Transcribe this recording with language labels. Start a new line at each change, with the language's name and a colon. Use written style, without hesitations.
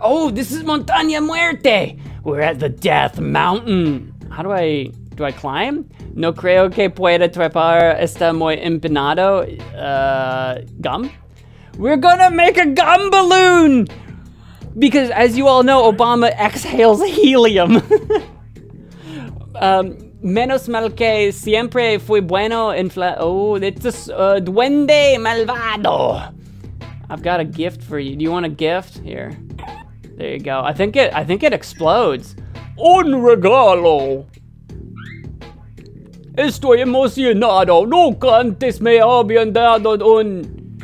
English: Oh, this is Montaña Muerte. We're at the Death Mountain. How do I. Do I climb?
Spanish: No creo que pueda trepar. Está muy empinado. Gum?
English: We're gonna make a gum balloon! Because as you all know, Obama exhales helium.
Spanish: menos mal que siempre fui bueno en fla.
English: Oh, it's a
Spanish: duende malvado.
English: I've got a gift for you. Do you want a gift? Here. There you go. I think it explodes.
Spanish: Un regalo. Estoy emocionado. No antes me habían dado un.